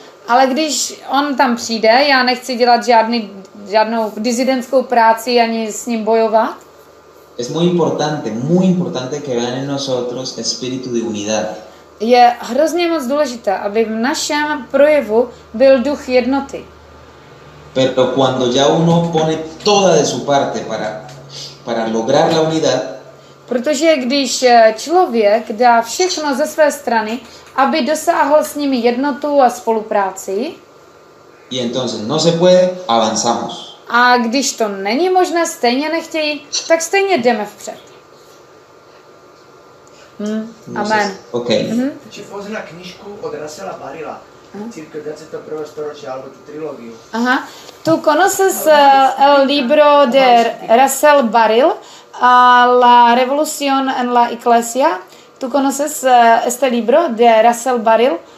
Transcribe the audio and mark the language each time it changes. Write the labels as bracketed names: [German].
[Czech] Ale když on tam přijde, já nechci dělat žádnou disidentskou práci ani s ním bojovat. [Spanish] Es muy importante que vean en nosotros espíritu de unidad. [Czech] Je hrozně moc důležité, aby v našem projevu byl duch jednoty. [Spanish] Pero cuando ya uno pone toda de su parte para lograr la unidad. [Czech] Protože když člověk dá všechno ze své strany, aby dosáhl s nimi jednotu a spolupráci. [Spanish] Y entonces no se puede, avanzamos. [Czech] A když to není možné, stejně nechtějí, tak stejně jdeme vpřed. Amen. Okay. [Slovak] Či pozri na knížku od Russella Barilla, Církev 21. století, alebo tu trilogii. [Spanish] Aha, tu conoces el libro de Russell Barilla, a La revolución en la iglesia. ¿Tú conoces este libro de Russell Barilla?